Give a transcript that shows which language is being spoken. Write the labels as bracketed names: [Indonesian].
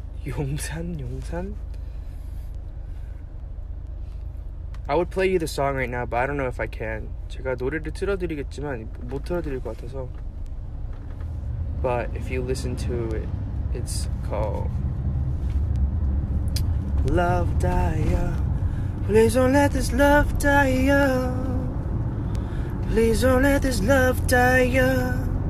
[English] Yongsan? I would play you the song right now, but I don't know if I can. [Korean] 제가 노래를 틀어드리겠지만 못 틀어드릴 것 같아서. [English] But if you listen to it, it's called Love Die Young. Please don't let this love die young. Please don't let this love die young.